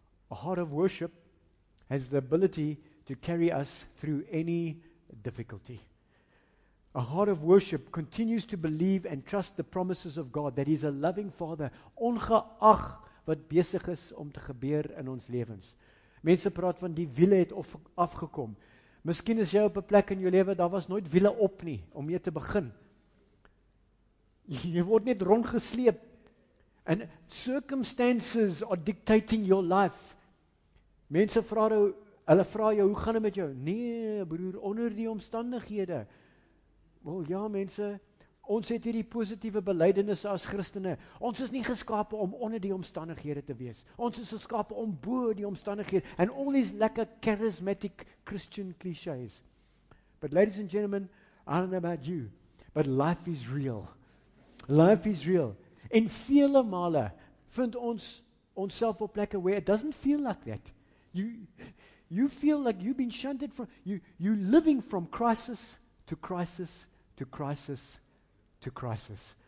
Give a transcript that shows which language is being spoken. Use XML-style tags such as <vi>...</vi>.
<en>A heart of worship has the ability to carry us through any difficulty. A heart of worship continues to believe and trust the promises of God, that He's a loving Father,</en> <af>ongeag wat besig is om te gebeur in ons lewens. Mense praat van die wiele het afgekom. Miskien is jy op 'n plek in jou lewe, daar was nooit wiele op nie, om mee te begin. Jy word net rondgesleep.</af> <en>And circumstances are dictating your life.</en> <af>Mense vra jou, hulle vra jou, hoe gaan dit met jou? Nee, broer, onder die omstandighede. Wel ja, mense, ons het hierdie positiewe belydenis as Christene. Ons is nie geskape om onder die omstandighede te wees. Ons is geskape om bo die omstandighede.</af> <en>And all these lekker charismatic Christian clichés. But ladies and gentlemen, I don't know about you, but life is real. Life is real.</en> <af>En vele male vind ons onsself op plekke</af> <en>where it doesn't feel like that. You feel like you've been shunted from, you're living from crisis to crisis to crisis to crisis.</en>